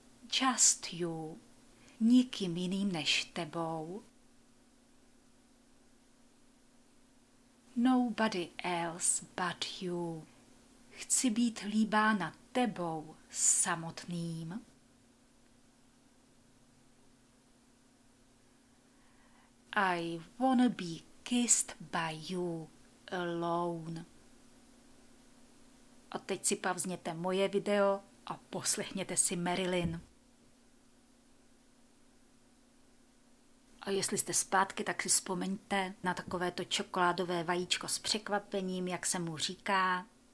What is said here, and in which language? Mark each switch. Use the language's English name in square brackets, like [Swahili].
[English] Just you. [Czech] Nikým jiným než tebou. [English] Nobody else but you. [Czech] Chci být líbána tebou samotným. [English] I wanna be kissed by you alone. [Czech] A teď si pauzněte moje video a poslechněte si Marilyn. A jestli jste zpátky, tak si vzpomeňte na takovéto čokoládové vajíčko s překvapením, jak se mu říká.